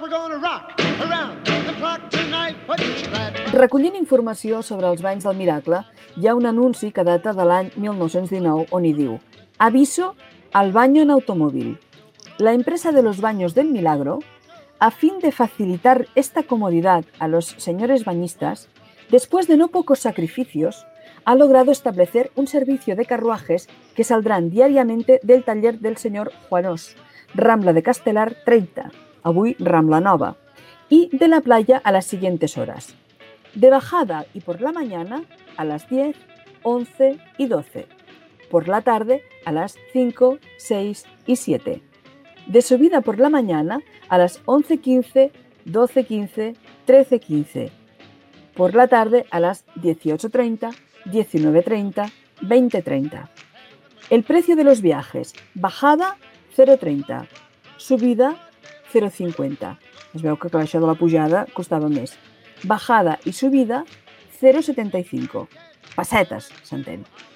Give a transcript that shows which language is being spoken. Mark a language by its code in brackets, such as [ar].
[en] We're gonna rock around the clock tonight. What's your plan? [ca] Recollint informació sobre els banys del Miracle, hi ha un anunci que data de l'any 1919 on hi diu: [es] «Aviso al baño en automóvil. La empresa de los baños del Milagro, a fin de facilitar esta comodidad a los señores bañistas, después de no pocos sacrificios, ha logrado establecer un servicio de carruajes que saldrán diariamente del taller del señor Juanós, Rambla de Castelar 30, [ca] avui Rambla Nova, [es] y de la playa a las siguientes horas, de bajada y por la mañana a las 10, 11 y 12, por la tarde a las 5, 6 y 7, de subida por la mañana a las 11:15, 12:15, 13:15, por la tarde a las 18:30, 19:30, 20:30. El precio de los viajes: bajada 0:30, subida 0:50. [ca] Es veu que clar, això de la pujada costava més. Bajada i subida 0:75. Pessetes, s'entén.